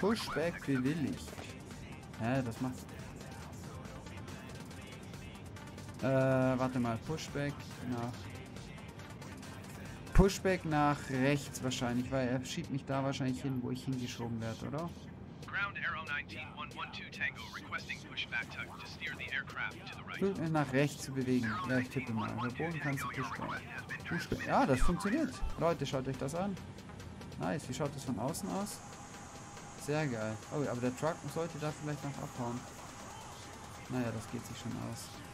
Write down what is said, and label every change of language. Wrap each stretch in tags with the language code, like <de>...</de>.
<de>Pushback bewilligt. Hä, das macht. Warte mal, Pushback nach. Pushback nach rechts wahrscheinlich, weil er schiebt mich da wahrscheinlich hin, wo ich hingeschoben werde, oder?</de> <en>Ground Arrow 19112 Tango requesting pushback tug to steer the aircraft to the right.</en> <de>Pushback nach rechts zu bewegen. Ja, ich tippe mal. Der Boden kannst du pushback. Pushback. Ja, das funktioniert. Leute, schaut euch das an. Nice, wie schaut das von außen aus? Sehr geil. Oh, aber der Truck sollte da vielleicht noch abhauen. Naja, das geht sich schon aus.</de>